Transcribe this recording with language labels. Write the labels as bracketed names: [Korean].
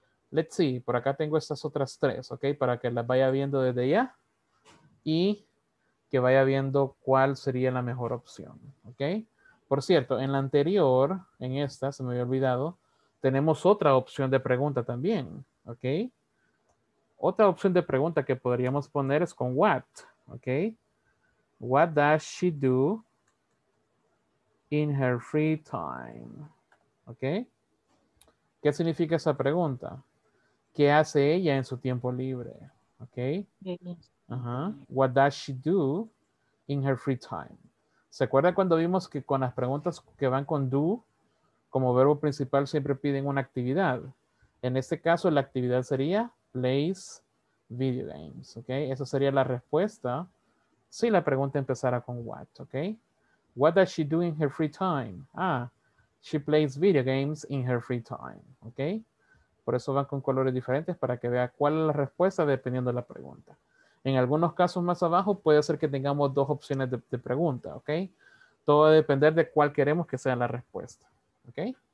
[English] Let's see, [Spanish] por acá tengo estas otras tres, ¿ok? Para que las vaya viendo desde ya y que vaya viendo cuál sería la mejor opción, ¿ok? Por cierto, en la anterior, en esta, se me había olvidado, tenemos otra opción de pregunta también, ¿ok? Otra opción de pregunta que podríamos poner es con what, ¿ok? [English] What does she do in her free time, ¿ok? [Spanish] ¿Qué significa esa pregunta? ¿Qué hace ella en su tiempo libre? ¿Ok? Uh-huh. [English] What does she do in her free time? [Spanish] ¿Se acuerdan cuando vimos que con las preguntas que van con do, como verbo principal siempre piden una actividad? En este caso, la actividad sería [English] plays video games. [Spanish] ¿Ok? Esa sería la respuesta si la pregunta empezara con what. ¿Ok? [English] What does she do in her free time? Ah, she plays video games in her free time. ¿Ok? [Spanish] Por eso van con colores diferentes para que vea cuál es la respuesta dependiendo de la pregunta. En algunos casos más abajo puede ser que tengamos dos opciones de pregunta, ¿ok? Todo va a depender de cuál queremos que sea la respuesta, ¿ok?